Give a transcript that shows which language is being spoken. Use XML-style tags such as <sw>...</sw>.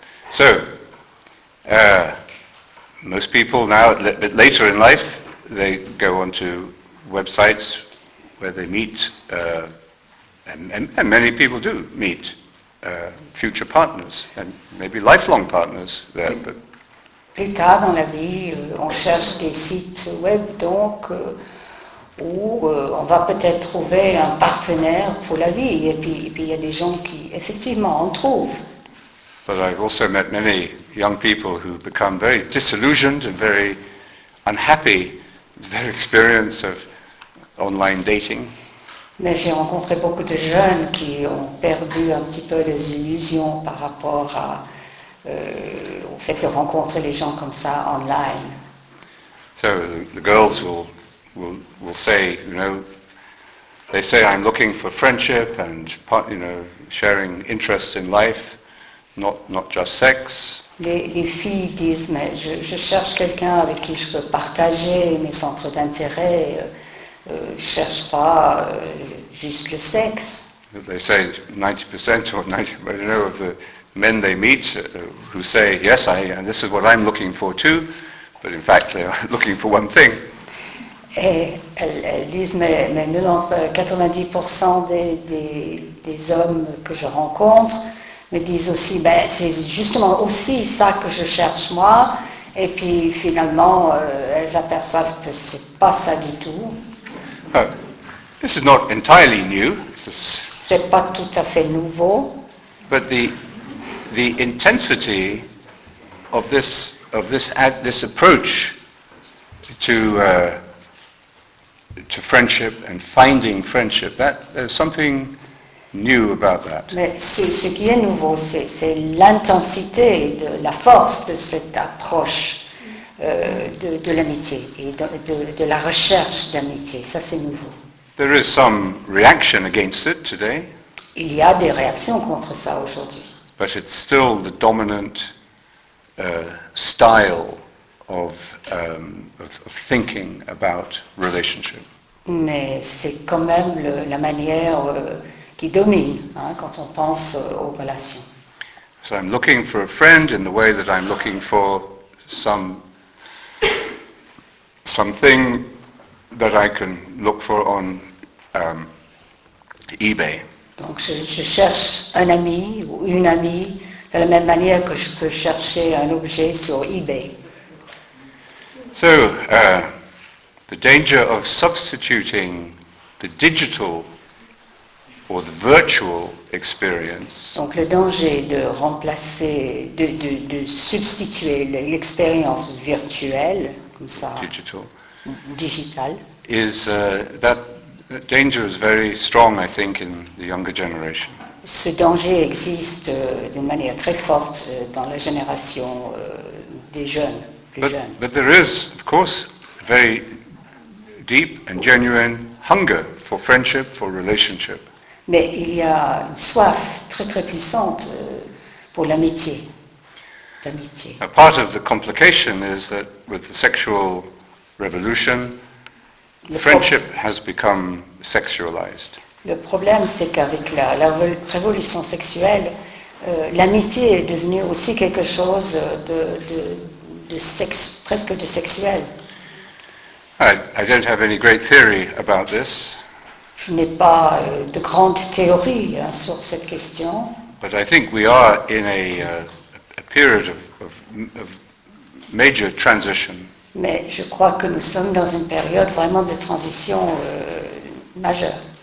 <en>So, most people now, a bit later in life, they go onto websites where they meet, and many people do meet future partners, and maybe lifelong partners there. But</en> <fr>plus tard dans la vie, on cherche des sites web, donc, où on va peut-être trouver un partenaire pour la vie, et puis il y a des gens qui, effectivement, en trouvent.</fr> <en>But I've also met many young people who become very disillusioned and very unhappy with their experience of online dating.</en> <fr>Mais j'ai rencontré beaucoup de jeunes qui ont perdu un petit peu les illusions par rapport à au fait de rencontrer les gens comme ça online.</fr> <en>So the girls will say, you know, they say I'm looking for friendship and sharing interests in life. Not just sex.</en> <fr>Les filles disent, mais je cherche quelqu'un avec qui je peux partager mes centres d'intérêt. Je cherche pas juste le sexe.</fr> <en>They say 90% or 90% of the men they meet who say yes, I and this is what I'm looking for too, but in fact they're looking for one thing.</en> <fr>Et elles disent, mais 90% des hommes que je rencontre me disent aussi, ben, c'est justement aussi ça que je cherche moi, et puis finalement, elles aperçoivent que c'est pas ça du tout.</fr> <en>This is not entirely new.</en> <fr>C'est pas tout à fait nouveau.</fr> <en>But the intensity of this approach to friendship and finding friendship, that there's something new about that.</en> <fr>Mais ce qui est nouveau, c'est l'intensité, de la force de cette approche de l'amitié et de la recherche d'amitié. Ça, c'est nouveau.</fr> <en>There is some reaction against it today.</en> <fr>Il y a des réactions contre ça aujourd'hui.</fr> <en>But it's still the dominant style of thinking about relationship.</en> <fr>Mais c'est quand même la manière qui domine, hein, quand on pense aux relations.</fr> <en>So I'm looking for a friend in the way that I'm looking for something that I can look for on eBay.</en> <fr>Donc je cherche un ami ou une amie de la même manière que je peux chercher un objet sur eBay.</fr> <en>So the danger of substituting the digital or the virtual experience.</en> <fr>Donc le danger de remplacer, de substituer l'expérience virtuelle, comme ça,</fr> <en>digital, is that danger is very strong, I think, in the younger generation.</en> <fr>Ce danger existe d'une manière très forte dans la génération des jeunes, plus jeunes.</fr> <en>But there is, of course, a very deep and genuine hunger for friendship, for relationship.</en> <fr>Mais il y a une soif très très puissante pour l'amitié. D'amitié.</fr> <en>A part of the complication is that with the sexual revolution, friendship has become sexualized.</en> <fr>Le problème, c'est qu'avec la révolution sexuelle, l'amitié est devenue aussi quelque chose de sexe, presque de sexuel.</fr> <en>I don't have any great theory about this.</en> <fr>Je n'ai pas de grande théorie sur cette question.</fr> <en>But I think we are in a period of major transition.</en> <fr>Mais je crois que nous sommes dans une période vraiment de transition majeure.</fr>